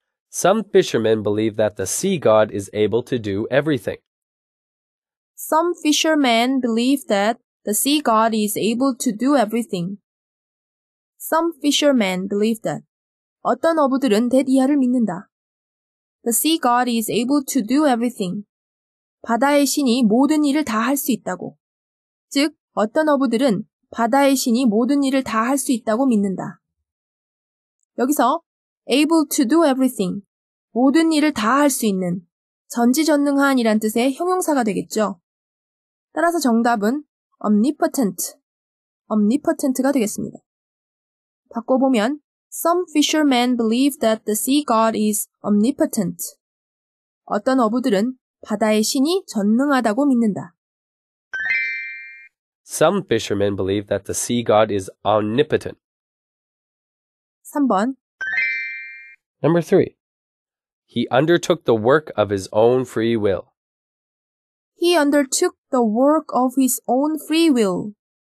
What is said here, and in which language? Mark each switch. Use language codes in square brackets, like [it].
[en] Some fishermen believe that the sea god is able to do everything. Some fishermen believe that the sea god is able to do everything. Some fishermen believe that. [ko] 어떤 어부들은 that 이하를 믿는다. [en] The sea god is able to do everything. [ko] 바다의 신이 모든 일을 다 할 수 있다고. 즉, 어떤 어부들은 바다의 신이 모든 일을 다 할 수 있다고 믿는다. 여기서 [en] able to do everything, [ko] 모든 일을 다 할 수 있는, 전지전능한이란 뜻의 형용사가 되겠죠. 따라서 정답은 omnipotent, omnipotent가 되겠습니다. 바꿔보면 [en] some fishermen believe that the sea god is omnipotent. [ko] 어떤 어부들은 바다의 신이 전능하다고 믿는다. [en] Some fishermen believe that the sea god is omnipotent. [ko] 3번 [en] Number 3. He undertook the work of his own free will. He undertook the work of his own free will.